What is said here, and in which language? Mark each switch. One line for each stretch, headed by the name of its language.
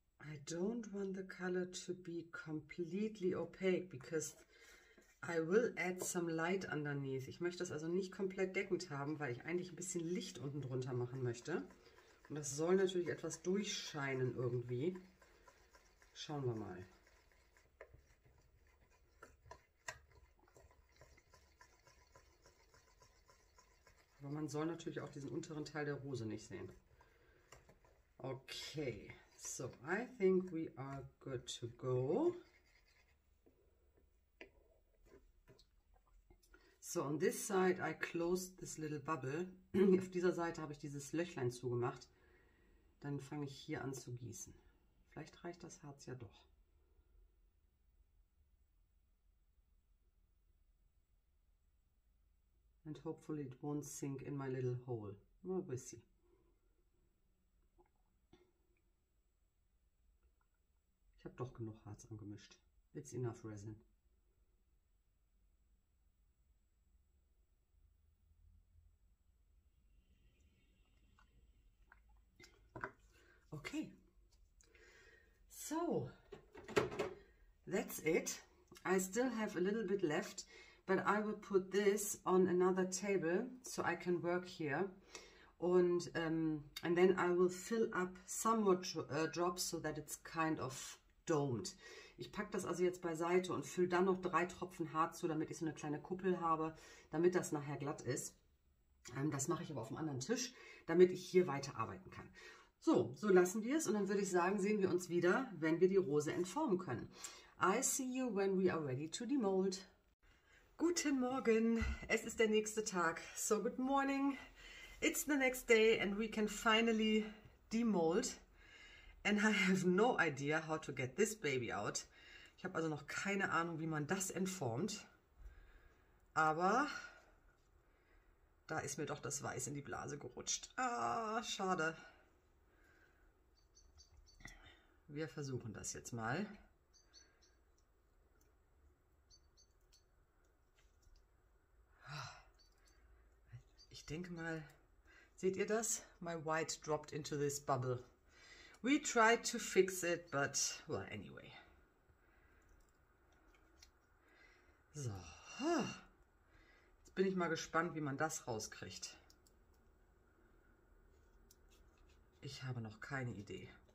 English: I don't want the color to be completely opaque, because I will add some light underneath.
German: Ich möchte das also nicht komplett deckend haben, weil ich eigentlich ein bisschen Licht unten drunter machen möchte. Und das soll natürlich etwas durchscheinen irgendwie. Schauen wir mal. Aber man soll natürlich auch diesen unteren Teil der Rose nicht sehen. Okay.
English: So, I think we are good to go. So, on this side I closed this little bubble.
German: Auf dieser Seite habe ich dieses Löchlein zugemacht. Dann fange ich hier an zu gießen. Vielleicht reicht das Harz ja doch.
English: And hopefully it won't sink in my little hole. Well, we'll see.
German: Ich habe doch genug Harz angemischt.
English: It's enough resin. Okay. So. That's it. I still have a little bit left, but I will put this on another table so I can work here. And then I will fill up some more drops so that it's kind of domed.
German: Ich packe das also jetzt beiseite und fülle dann noch 3 Tropfen Harz zu, damit ich so eine kleine Kuppel habe, damit das nachher glatt ist. Das mache ich aber auf einem anderen Tisch, damit ich hier weiterarbeiten kann. So, so lassen wir es und dann würde ich sagen, sehen wir uns wieder, wenn wir die Rose entformen können.
English: I see you when we are ready to demold.
German: Guten Morgen, es ist der nächste Tag.
English: So, good morning. It's the next day and we can finally demold. And I have no idea how to get this baby out.
German: Ich habe also noch keine Ahnung, wie man das entformt. Aber da ist mir doch das Weiß in die Blase gerutscht. Ah, schade. Wir versuchen das jetzt mal. Ich denke mal, seht ihr das?
English: My white dropped into this bubble. We tried to fix it, but, well, anyway. So.
German: Jetzt bin ich mal gespannt, wie man das rauskriegt. Ich habe noch keine Idee.